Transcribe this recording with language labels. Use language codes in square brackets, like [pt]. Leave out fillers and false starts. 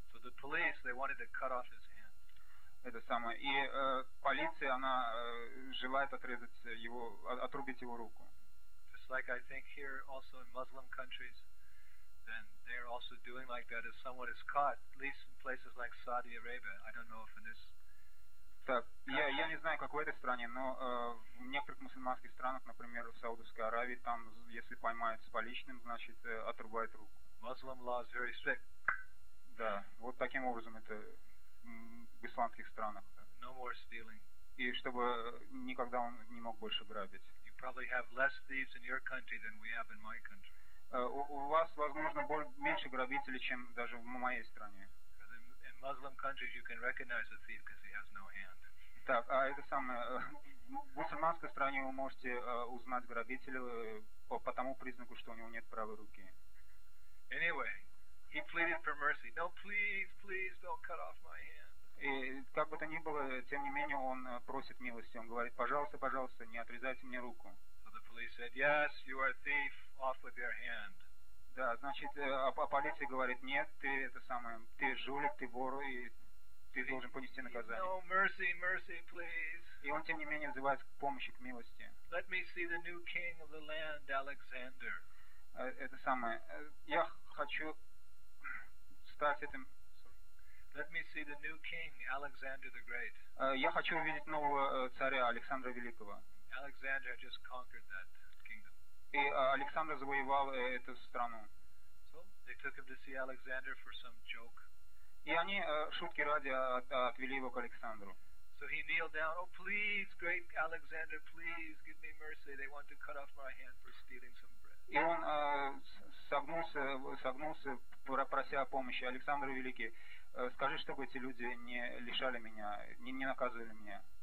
[en] So the police, they wanted to cut off his hand. [ru] Это самое. И полиция, она желает отрубить его руку. [en] Just like I think here also in Muslim countries, then they're also doing like that if someone is caught, at least in places like Saudi Arabia. I don't know if in this. [ru] Так, я не знаю, как в этой стране, но в некоторых мусульманских странах, например, в Саудовской Аравии, там, если поймают с поличным, значит, отрубают руку. [en] Muslim law is very strict. [ru] Да, вот таким образом это в исламских странах. [en] No more stealing. [ru] И чтобы никогда он не мог больше грабить. [en] You probably have less thieves in your country than we have in my country. [ru] У вас, возможно, меньше грабителей, чем даже в моей стране. [en] In Muslim countries, you can recognize a thief because he has no hand. [ru] Так, а это самое. В мусульманской стране вы можете узнать грабителя по тому признаку, что у него нет правой руки. [en] Anyway, he pleaded for mercy. No, please, please, don't cut off my hand. [ru] И как бы то ни было, тем не менее, он просит милости. Он говорит: пожалуйста, пожалуйста, не отрезайте мне руку. [en] So the police said, yes, you are a thief, off with your hand. [ru] Да, значит, полиция говорит: нет, ты это самое, ты жулик, ты вор, и ты должен понести наказание. [en] No, mercy, mercy, please. [ru] И он, тем не менее, взывает к помощи, к милости. [en] Let me see the new king of the land, Alexander. [ru] Это самое, я хочу стать этим... [en] Let me see the new king, Alexander the Great. [ru] Я хочу увидеть нового царя, Александра Великого. [en] Alexander had just conquered that kingdom. [ru] И Александр завоевал эту страну. [en] So they took him to see Alexander for some joke. [ru] И они шутки ради отвели его к Александру. [en] So he kneeled down. Oh, please, great Alexander, please give me mercy. They want to cut off my hand for stealing some bread. [ru] И он согнулся, прося о помощи. Александр Великий, скажи, чтобы эти люди не лишали меня, не наказывали меня.